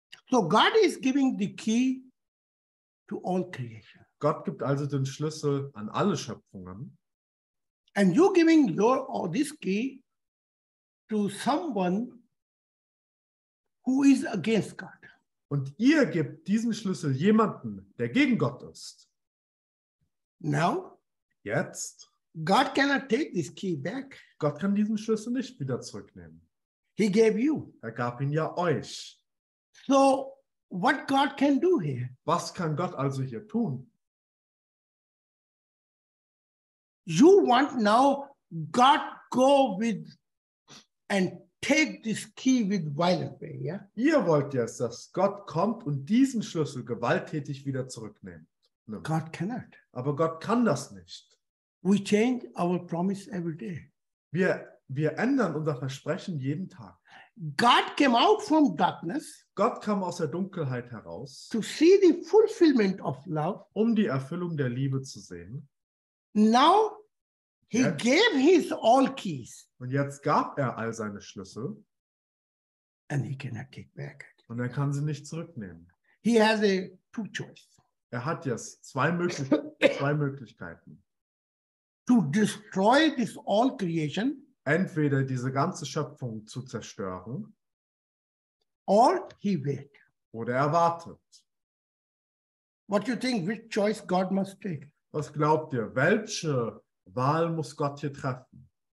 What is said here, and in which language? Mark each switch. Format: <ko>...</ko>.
<en>So God is giving the key to all creation.</en> <de>Gott gibt also den Schlüssel an alle Schöpfungen.</de> <en>And you giving your or this key to someone who is against God.</en> <de>Und ihr gebt diesen Schlüssel jemanden, der gegen Gott ist.</de> <en>Now?</en> <de>Jetzt?</de> <en>God cannot take this key back.</en> <de>Gott kann diesen Schlüssel nicht wieder zurücknehmen.</de> <en>He gave you.</en> <de>Er gab ihn ja euch.</de> <en>So, what God can do here?</en> <de>Was kann Gott also hier tun?</de> <en>You want now God go with and take this key with violent way, yeah?</en> <de>Ihr wollt jetzt, dass Gott kommt und diesen Schlüssel gewalttätig wieder zurücknimmt.</de> <en>God cannot.</en> <de>Aber Gott kann das nicht.</de> <en>We change our promise every day.</en> <de>Wir ändern unser Versprechen jeden Tag.</de> <en>God came out from darkness.</en> <de>Gott kam aus der Dunkelheit heraus.</de> <en>To see the fulfillment of love.</en> <de>Um die Erfüllung der Liebe zu sehen.</de> <en>Now he gave his all keys.</en> <de>Und jetzt gab er all seine Schlüssel.</de> <en>And he cannot take back.</en> <de>Und er kann sie nicht zurücknehmen.</de> <en>He has a two choice.</en> <de>Er hat jetzt zwei Möglichkeiten.</de> <en>To destroy this all creation.</en> <de>Entweder diese ganze Schöpfung zu zerstören.</de> <en>Or he wait.</en> <de>Oder er wartet.</de> <en>What do you think, which choice God must take?</en> <de>Was glaubt ihr, welche Wahl muss Gott hier treffen?</de>